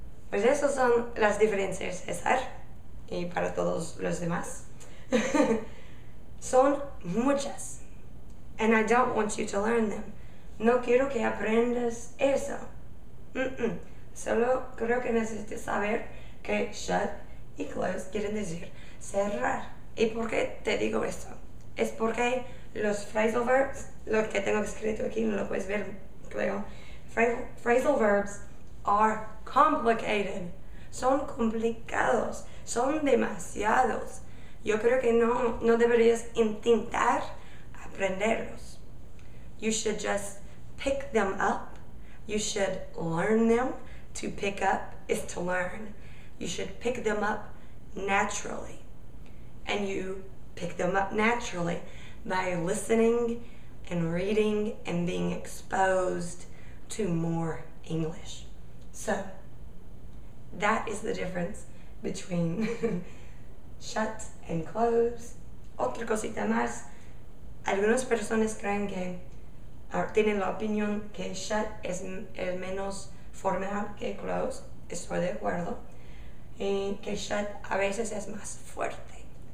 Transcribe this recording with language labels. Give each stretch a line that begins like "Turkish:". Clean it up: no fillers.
Spanish: Pues esas son las diferencias, César, y para todos los demás. Son muchas,
English: and I don't want you to learn them.
Spanish: No quiero que aprendas eso. Mm-mm. Solo creo que necesitas saber que shut y close quieren decir cerrar. ¿Y por qué te digo esto? Es porque los phrasal verbs, lo que tengo escrito aquí, no lo puedes ver, creo.
English: Phrasal verbs are complicated.
Spanish: Son complicados. Son demasiados. Yo creo que no deberías intentar aprenderlos.
English: You should just pick them up. You should learn them. To pick up is to learn. You should pick them up naturally. And you pick them up naturally by listening and reading and being exposed to more English. So, that is the difference between shut and close.
Spanish: Otra cosita más. Algunas personas creen que, tienen la opinión que shut es el menos formal que close. Estoy de acuerdo. Y que shut a veces es más fuerte.